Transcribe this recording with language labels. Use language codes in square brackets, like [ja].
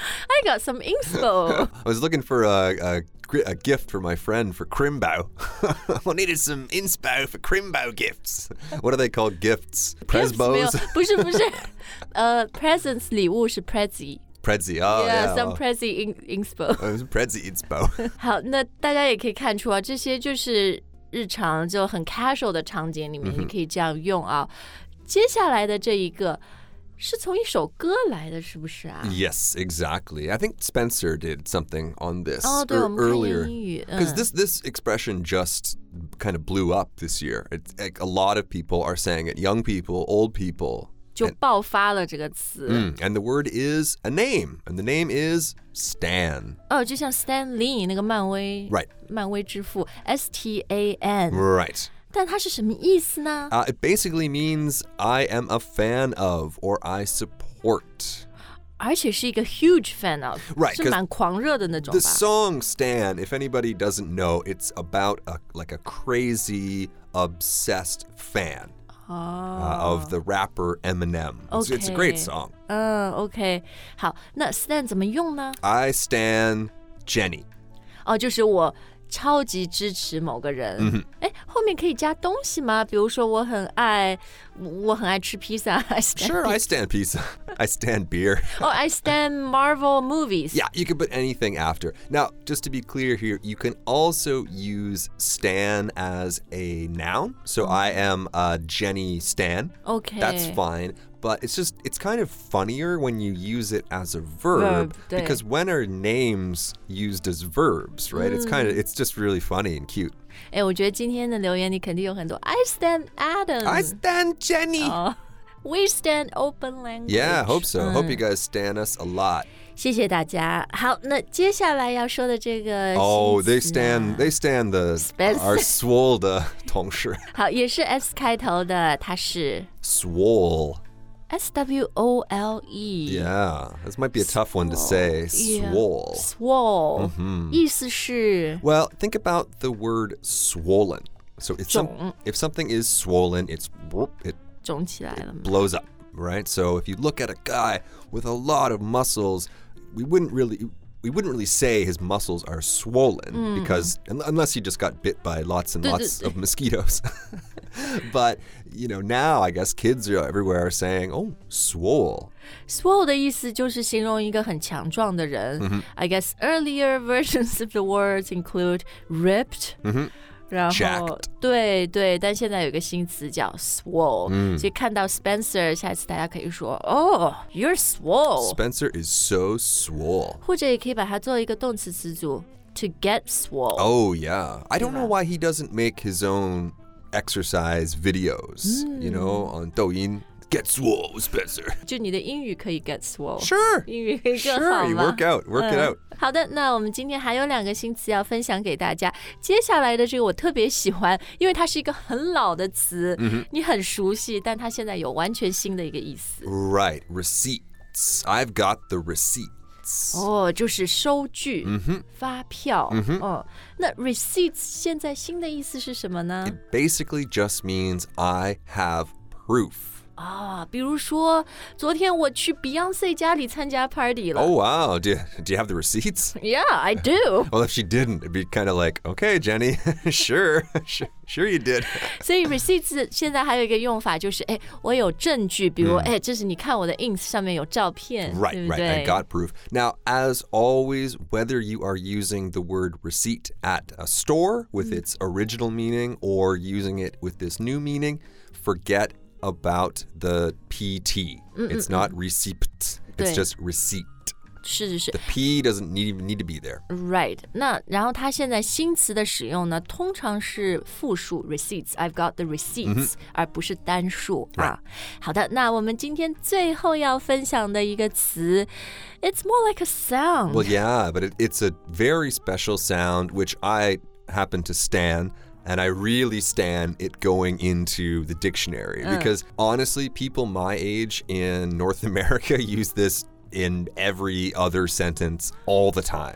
[en] I got some inspo. I was looking for a gift for my friend for Crimbo. I needed some inspo for Crimbo gifts. What are they called? Gifts? Presbos? [zh] 不是不是。 presents 礼物 是 prezi。 [en] Prezi, oh yeah, yeah. Some Prezi inspo. Prezi inspo. [zh] 好，那大家也可以看出啊，这些就是日常就很 casual 的场景里面你可以这样用啊。接下来的这一个是从一首歌来的，是不是啊？ [en] Yes, exactly. I think Spencer did something on this earlier. Because this expression just kind of blew up this year. It's like a lot of people are saying it, young people, old people. [zh] 就爆发了这个词。 [en] Mm, and the word is a name, and the name is Stan. [zh] 哦、oh, ，就像 Stan Lee 那个漫威 [en] ，Right， [zh] 漫威之父 ，S T A N， [en] Right。 [zh] 但它是什么意思呢 [en] ？It basically means I am a fan of or I support. [zh] 而且是一个 huge fan of， [en] Right， [zh] 是蛮狂热的那种吧。 [en] The song Stan, if anybody doesn't know, it's about a like a crazy obsessed fan. Of the rapper Eminem. Okay. It's a great song. Okay. [zh] 好，那 stan 怎么用呢 [en] ？I stan Jenny. [zh] 哦，就是我超级支持某个人。嗯、 mm-hmm. ，哎，后面可以加东西吗？比如说，我很爱吃披萨。 [en] I stan sure,、 pizza. I stan pizza. I stan beer. Oh, I stan Marvel movies. Yeah, you can put anything after. Now, just to be clear here, you can also use stan as a noun. So、mm-hmm. I am a Jenny stan. Okay, that's fine. But it's kind of funnier when you use it as a verb, because when are names used as verbs, right?、Mm. It's just really funny and cute. [zh] 哎，我觉得今天的留言你肯定有很多 [en] I stan Adam. I stan Jenny.、 Oh, we stan open language. Yeah, hope so.、Mm. Hope you guys stan us a lot. [zh] 谢谢大家。好，那接下来要说的这个新词呢 [en] Oh, they stan the、 Spencer. our swole [zh] 的同事。好，也是 S 开头的，它是 [en] swole. S-W-O-L-E. Yeah, this might be a tough one to say. Swole. Yeah. Swole.、 Mm-hmm. [zh] 意思是 [en] Well, think about the word swollen. So if something is swollen, it [zh] 肿起来了 [en] it blows up, right? So if you look at a guy with a lot of muscles, we wouldn't really say his muscles are swollen、 mm. because unless he just got bit by lots and lots of mosquitoes. But, you know, now I guess kids are everywhere saying, oh, swole. [zh] Swole 的意思就是形容一个很强壮的人。 Mm-hmm. [en] I guess earlier versions of the words include ripped,、 mm-hmm. [zh] 然后 [en] jacked. [zh] 对对，但现在有一个新词叫 swole.、 Mm. 所以看到 Spencer, 下次大家可以说 [en] oh, you're swole. Spencer is so swole. [zh] 或者也可以把它做一个动词词组 [en] to get swole. Oh, yeah. I don't know why he doesn't make his own... exercise videos,、 mm. you know, on Douyin. Get swole, Spencer. [zh] 就你的英语可以 [en] get swole. Sure. [zh] 英语可以更好吗 [en] Sure, you work out. Work、it out. [zh] 好的，那我们今天还有两个新词要分享给大家。接下来的这个我特别喜欢，因为它是一个很老的词、 mm-hmm. 你很熟悉，但它现在有完全新的一个意思。 [en] Right, receipts. I've got the receipts. [zh] 哦、oh, ，就是收据、 mm-hmm. 发票、 mm-hmm. 哦、那 receipts 现在新的意思是什么呢 [en] It basically just means I have proof、 [zh] 哦、比如说昨天我去 Beyonce 家里参加 party 了 [en] Oh wow, do you have the receipts? Yeah, I do Well, if she didn't, it'd be kind of like Okay, Jenny, sure you did [zh] 所以 receipts 现在还有一个用法就是、哎、我有证据比如、mm. 哎、这是你看我的 ins 上面有照片 [en] right, [zh] 对不对 [en] right, I got proof Now, as always, whether you are using the word receipt at a store with、mm. its original meaning or using it with this new meaning, forget about the PT、 mm-hmm. It's not receipt, it's just receipt [zh] 是是是 [en] The P doesn't need to be there. Right. [zh] 那然后它现在新词的使用呢，通常是复数 receipts. [en] I've got the receipts,、 mm-hmm. [zh] 而不是单数、 [en] right. 啊。 [zh] 好的，那我们今天最后要分享的一个词 ， [en] it's more like a sound. Well, yeah, but it's a very special sound which I happen to stan, and I really stan it going into the dictionary、嗯、 because honestly, people my age in North America use this. in every other sentence all the time.